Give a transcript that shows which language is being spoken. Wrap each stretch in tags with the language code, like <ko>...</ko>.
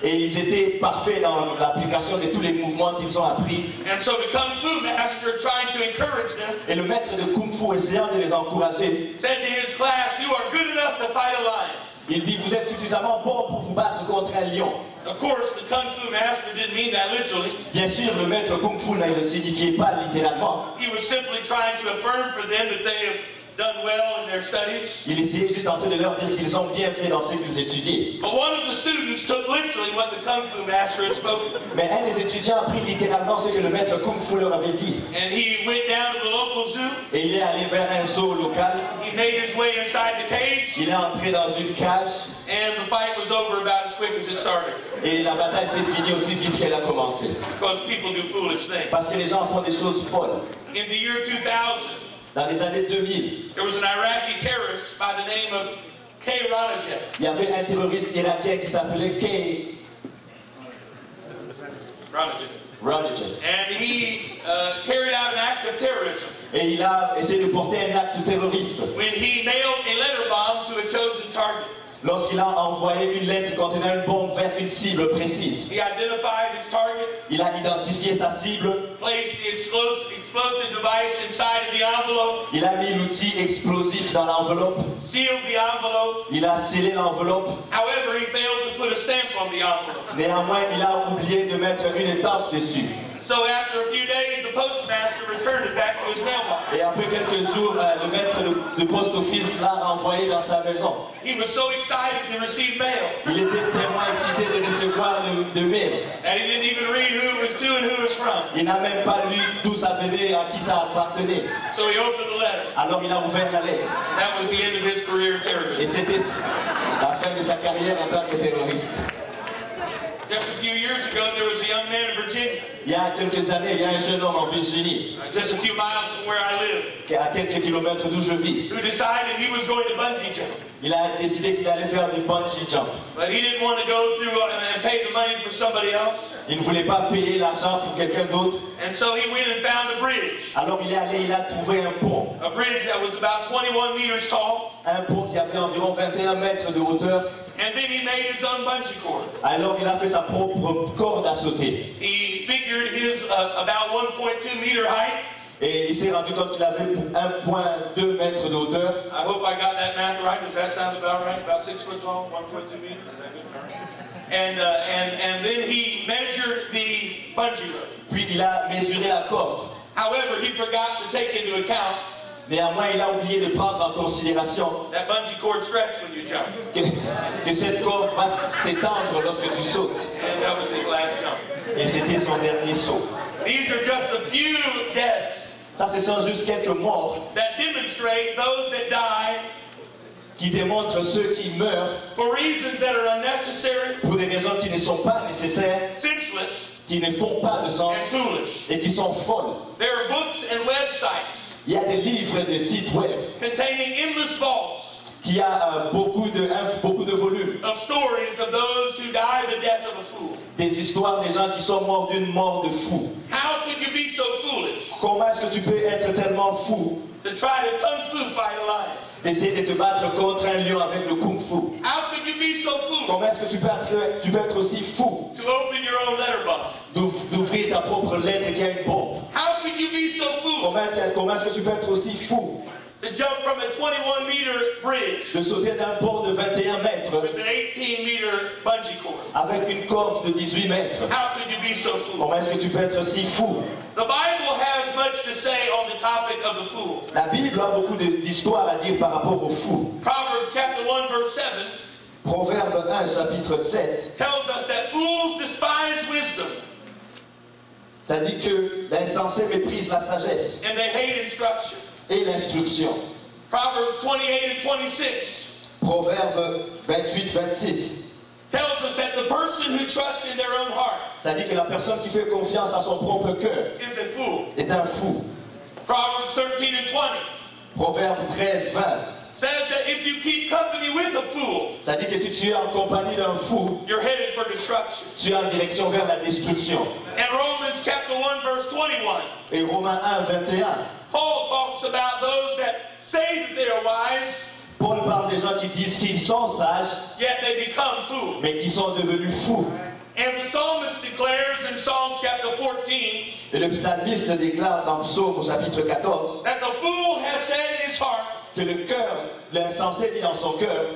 <fr>Et ils étaient parfaits dans l'application de tous les mouvements qu'ils ont appris.</fr> <en>And so the kung fu master tried to encourage them.</en> <fr>Et le maître de kung fu essayant de les encourager.</fr> <en>Said to his class, "You are good enough to fight a lion."</en> <fr>Il dit, vous êtes suffisamment bon pour vous battre contre un lion.</fr> <en>Of course, the kung fu master didn't mean that literally.</en> <fr>Bien sûr, le maître kung fu ne le signifiait pas littéralement.</fr> <en>He was simply trying to affirm for them that they have done well in their studies.</en> <fr>Il essayait juste en train de leur dire qu'ils ont bien fait dans ce qu'ils étudiaient.</fr> <en>But one of the students took literally what the kung fu master had spoken.</en> <fr>Mais un des étudiants a pris littéralement ce que le maître kung fu leur avait dit.</fr> <en>And he went down to the local zoo.</en> <fr>Et il est allé vers un zoo local.</fr> <en>He made his way inside the cage.</en> <fr>Il est entré dans une cage.</fr> <en>And the fight was over about as quick as it started.</en> <fr>Et la bataille s'est finie aussi vite qu'elle a commencé.</fr> <en>Because people do foolish things.</en> <fr>Parce que les gens font des choses folles.</fr> <en>In the year 2000.</en> <fr>Dans les années 2000,</fr> <en>there was an Iraqi terrorist by the name of Kay Rajaev.</en> <fr>Il y avait un terroriste irakien qui s'appelait Kay Rajaev.</fr> <en>And he carried out an act of terrorism.</en> <fr>Et il a essayé de porter un acte terroriste.</fr> <en>When he mailed a letter bomb to a chosen target.</en> <fr>Lorsqu'il a envoyé une lettre contenant une bombe vers une cible précise,</fr> <en>he identified his target,</en> <fr>il a identifié sa cible,</fr> <en>placed the explosive device inside of the envelope,</en> <fr>il a mis l'outil explosif dans l'enveloppe,</fr> <en>sealed the envelope,</en> <fr>il a scellé l'enveloppe.</fr> <en>However, he failed to put a stamp on the envelope.</en> <fr>Néanmoins, il a oublié de mettre une étampe dessus.</fr> <en>So after a few days, the postmaster returned it back to his mailbox.</en> <fr>Et après quelques jours, le maître de poste office l'a renvoyé dans sa maison.</fr> <en>He was so excited to receive mail.</en> <fr>Il était tellement excité de recevoir le mail.</fr> <en>And he didn't even read who it was to and who it was from.</en> <fr>Il n'a même pas lu d'où ça venait et à qui ça appartenait.</fr> <en>So he opened the letter.</en> <fr>Alors il a ouvert la lettre.</fr> <en>And that was the end of his career in terrorism.</en> <fr>Et c'était la fin de sa carrière en tant que terroriste.</fr> <en>Just a few years ago, there was a young man in Virginia.</en> <fr>Il y a quelques années, il y a un jeune homme en Virginie.</fr> <en>Just a few miles from where I live.</en> <fr>À quelques kilomètres d'où je vis.</fr> <en>Who decided he was going to bungee jump.</en> <fr>Il a décidé qu'il allait faire du bungee jump.</fr> <en>But he didn't want to go through and pay the money for somebody else.</en> <fr>Il ne voulait pas payer l'argent pour quelqu'un d'autre.</fr> <en>And so he went and found a bridge.</en> <fr>Alors il est allé, il a trouvé un pont.</fr> <en>A bridge that was about 21 meters tall.</en> <fr>Un pont qui avait environ 21 mètres de hauteur.</fr> <en>And then he made his own bungee cord.</en> <fr>Alors il a fait sa propre corde à sauter.</fr> <en>He figured his about 1.2 meter height.</en> <fr>Et il s'est rendu compte qu'il avait 1.2 mètres de hauteur.</fr> <en>I hope I got that math right. Does that sound about right? About 6 foot tall, 1.2 meters. Is that good? And then he measured the bungee rope.</en> <fr>Puis il a mesuré la corde.</fr> <en>However, he forgot to take into account.</en> <fr>Néanmoins, il a oublié de prendre en considération</fr> <en>that bungee cord stretches when you jump.</en> <fr>Que cette corde va s'étendre lorsque tu sautes.</fr> <en>And that was his last jump.</en> <fr>Et c'était son dernier saut.</fr> <en>These are just a few deaths.</en> <fr>Ça, ce sont juste quelques morts.</fr> <en>That demonstrate those that die.</en> <fr>Qui démontre ceux qui meurent.</fr> <en>For reasons that are unnecessary.</en> <fr>Pour des raisons qui ne sont pas nécessaires.</fr> <en>Senseless.</en> <fr>Qui ne font pas de sens.</fr> <en>And foolish.</en> <fr>Et qui sont folles.</fr> <en>There are books and websites.</en> <fr>Il y a des livres et des sites web.</fr> <en>Containing endless faults.</en> <fr>Qui a beaucoup de volume.</fr> <en>Of stories of those who die the death of a fool.</en> <fr>Des histoires des gens qui sont morts d'une mort de fou.</fr> <en>How could you be so foolish?</en> <fr>Comment est-ce que tu peux être tellement fou?</fr> <en>To try to kung fu fight a lion.</en> <fr>D'essayer de te battre contre un lion avec le kung fu.</fr> <en>How could you be so foolish?</en> <fr>Comment est-ce que tu peux être aussi fou?</fr> <en>To open your own letterbox.</en> <fr>D'ouvrir ta propre lettre qui a une bombe.</fr> <en>How could you be so foolish?</en> <fr>Comment est-ce que tu peux être aussi fou?</fr> <en>To jump from a 21 meter bridge.</en> <fr>De sauter d'un pont de 21 mètres.</fr> <en>With an 18 meter bungee cord.</en> <fr>Avec une corde de 18 mètres.</fr> <en>How could you be so fool?</en> <fr>Comment est-ce que tu peux être si fou?</fr> <en>The Bible has much to say on the topic of the fool.</en> <fr>La Bible a beaucoup d'histoires à dire par rapport au fou.</fr> <en>Proverbs chapter 1 verse 7.</en> <fr>Proverbe 1 chapitre 7.</fr> <en>Tells us that fools despise wisdom.</en> <fr>Ça dit que l'insensé méprise la sagesse.</fr> <en>And they hate instruction.</en> <fr>Et l'instruction.</fr> <en>Proverbs 28 and 26.</en> <fr>Proverbe 28-26.</fr> <en>Tells us that the person who trusts in their own heart.</en> <fr>Ça dit que la personne qui fait confiance à son propre cœur.</fr> <en>Is a fool.</en> <fr>Est un fou.</fr> <en>Proverbs 13 and 20.</en> <fr>Proverbe 13-20.</fr> <en>Says that if you keep company with a fool.</en> <fr>Ça dit que si tu es en compagnie d'un fou.</fr> <en>You're headed for destruction.</en> <fr>Tu es en direction vers la destruction.</fr> <en>And Romans chapter 1 verse 21.</en> <fr>Et Romains 1-21.</fr> <en>Paul talks about those that say that they are wise.</en> <fr>Paul parle des gens qui disent qu'ils sont sages.</fr> <en>Yet they become fools.</en> <fr>Mais qui sont devenus fous.</fr> <en>And the psalmist declares in Psalm chapter 14.</en> <fr>Et le psalmiste déclare dans Psaume chapitre 14.</fr> <en>That the fool has said in his heart.</en> <fr>Que le cœur, l'insensé dit dans son cœur.</fr>